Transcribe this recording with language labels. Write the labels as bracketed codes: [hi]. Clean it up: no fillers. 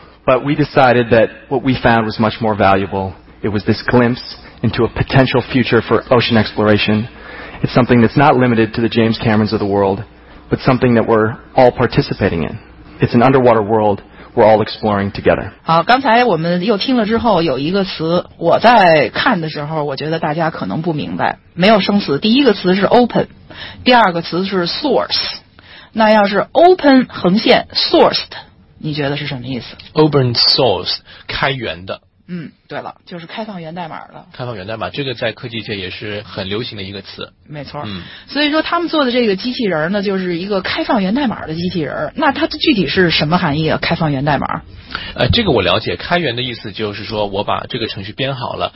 [en] But we decided that what we found was much more valuable. It was this glimpse into a potential future for ocean exploration. It's something that's not limited to the James Camerons of the world, but something that we're all participating in. It's an underwater world we're all exploring together. [zh] 好，刚才我们又听了之后，有一个词我在看的时候，我觉得大家可能不明白，没有生词。第一个词是 open， 第二个词是 source。那要是 open 横线 sourced。你觉得是什么意思？ Open source， 开源的。嗯，对了，就是开放源代码了。开放源代码，这个在科技界也是很流行的一个词。没错。嗯，所以说他们做的这个机器人呢，就是一个开放源代码的机器人。那它具体是什么含义啊？开放源代码？这个我了解，开源的意思就是说我把这个程序编好了，